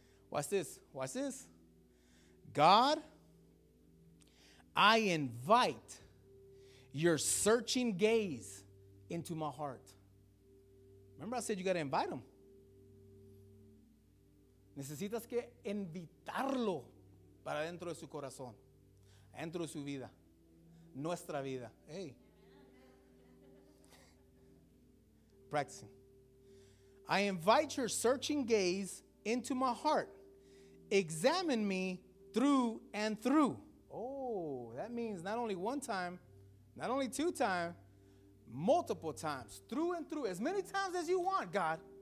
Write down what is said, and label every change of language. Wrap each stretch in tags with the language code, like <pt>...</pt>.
<en>Watch this. God, I invite your searching gaze into my heart. Remember I said you got to invite him.</en> <es>Necesitas que invitarlo para dentro de su corazón, dentro de su vida, nuestra vida.</es> <en>Hey. Practicing. I invite your searching gaze into my heart. Examine me through and through. Oh, that means not only one time, not only two times, multiple times, through and through, as many times as you want, God.</en>